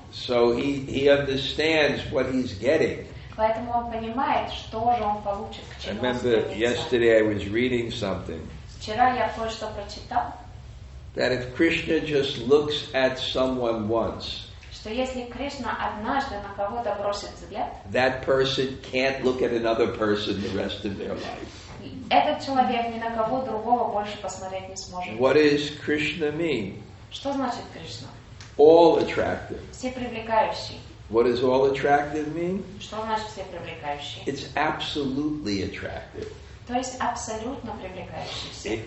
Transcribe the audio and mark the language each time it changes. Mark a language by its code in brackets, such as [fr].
[en] So he understands what he's getting. [ru] Поэтому он понимает, что же он получит, к чему стремится. [en] I remember yesterday I was reading something. [ru] Вчера я кое-что прочитал. [en] That if Krishna just looks at someone once. [ru] Что если Кришна однажды на кого-то бросит взгляд. [en] That person can't look at another person the rest of their life. [ru] Этот человек ни на кого другого больше посмотреть не сможет. [en] What does Krishna mean? [ru] Что значит Кришна? [en] All attractive. [ru] Все привлекающие. [en] What does all attractive mean? [ru] Что значит все привлекающие? [en] It's absolutely attractive. [ru] То есть абсолютно привлекающийся.